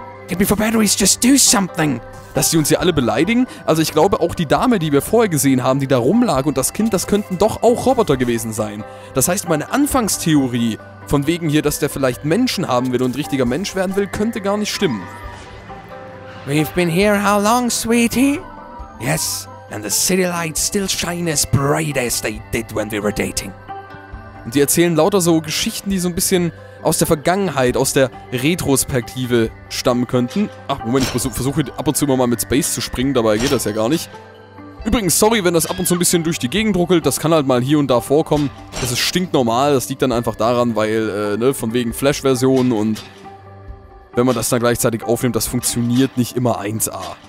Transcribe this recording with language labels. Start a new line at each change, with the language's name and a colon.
English: Get me for batteries, just do something.
German: Dass sie uns hier alle beleidigen? Also ich glaube, auch die Dame, die wir vorher gesehen haben, die da rumlag und das Kind, das könnten doch auch Roboter gewesen sein. Das heißt, meine Anfangstheorie von wegen hier, dass der vielleicht Menschen haben will und richtiger Mensch werden will, könnte gar nicht stimmen.
English: We've been here how long, sweetie? Yes, and the city lights still shine as bright as they did when we were dating.
German: Und die erzählen lauter so Geschichten, die so ein bisschen aus der Vergangenheit, aus der Retrospektive stammen könnten. Ach, Moment, ich versuche ab und zu immer mal mit Space zu springen, dabei geht das ja gar nicht. Übrigens, sorry, wenn das ab und zu ein bisschen durch die Gegend ruckelt, das kann halt mal hier und da vorkommen. Das ist stinknormal, das liegt dann einfach daran, weil, ne, von wegen Flash-Versionen und wenn man das dann gleichzeitig aufnimmt, das funktioniert nicht immer 1A.